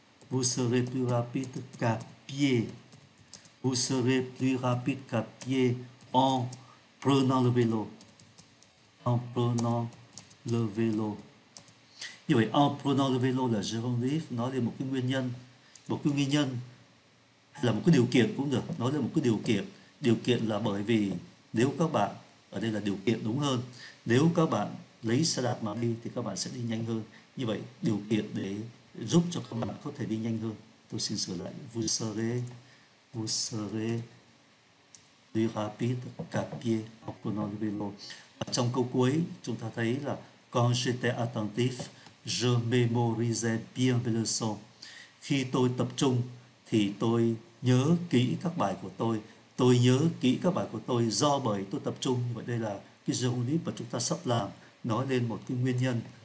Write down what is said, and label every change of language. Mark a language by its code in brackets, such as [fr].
[fr] Vous serez plus rapide qu'à pied. Vous serez plus rapide qu'à pied en prenant le vélo. En prenant le vélo. [vi] Như vậy, [fr] en prenant le vélo [vi] là gerundif, nói lên một cái nguyên nhân, hay là một cái điều kiện cũng được, nói lên một cái điều kiện. Điều kiện là bởi vì nếu các bạn, ở đây là điều kiện đúng hơn, nếu các bạn lấy xe đạp mà đi thì các bạn sẽ đi nhanh hơn. Như vậy, điều kiện để giúp cho các bạn có thể đi nhanh hơn. Tôi xin sửa lại. [fr] Vous serez plus rapide qu'à pied en prenant le vélo. [vi] Trong câu cuối, chúng ta thấy là [fr] quand j'étais attentif, je mémorisais bien les leçons. [vi] Khi tôi tập trung thì tôi nhớ kỹ các bài của tôi. Tôi nhớ kỹ các bài của tôi do bởi tôi tập trung. Vậy đây là cái geonip mà chúng ta sắp làm, nói lên một cái nguyên nhân.